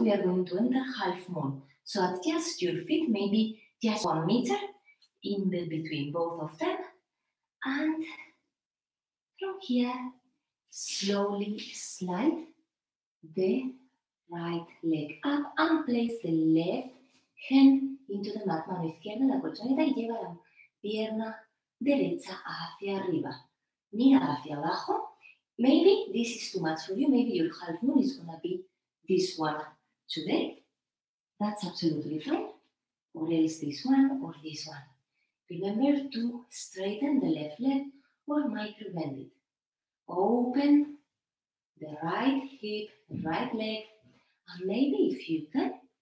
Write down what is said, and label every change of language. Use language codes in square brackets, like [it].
[en] We are going to enter half moon. So adjust your feet, maybe just 1 meter in the between both of them. And from here, slowly slide the right leg up and place the left hand into the mat. [es] Mano izquierda, la colchoneta, y lleva la pierna derecha hacia arriba. Mira hacia abajo. [en] Maybe this is too much for you. Maybe your half moon is going to be this one today. That's absolutely fine. Or else this one or this one. Remember to straighten the left leg or micro bend it. Open the right hip, right leg. And maybe if you can,